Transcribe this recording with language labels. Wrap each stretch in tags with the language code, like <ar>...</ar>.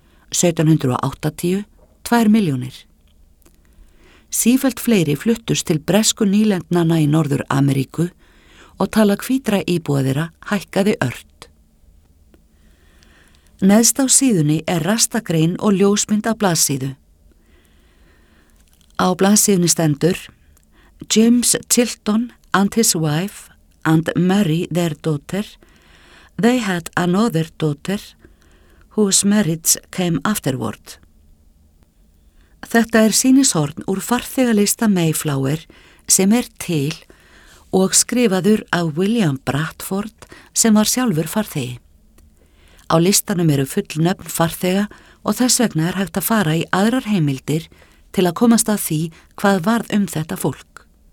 <is>1780, 2 miljónir. Sífellt fleiri fluttust til bresku nýlendnanna í Norður Ameríku og tala hvítra íbúa þeirra hækkaði ört. Neðst á síðunni rastagrein og ljósmynd af blaðsíðu. Á blaðsíðunni stendur</is> <en>James Tilton and his wife and Mary their daughter. They had another daughter whose marriage came afterward.</en> <is>Þetta sýnishorn úr farþegalista Mayflower sem til og skrifaður af William Bradford sem var sjálfur farþegi. Á listanum full nöfn farþega og þess vegna hægt að fara í aðrar heimildir til að komast að því hvað varð þetta fólk.</is>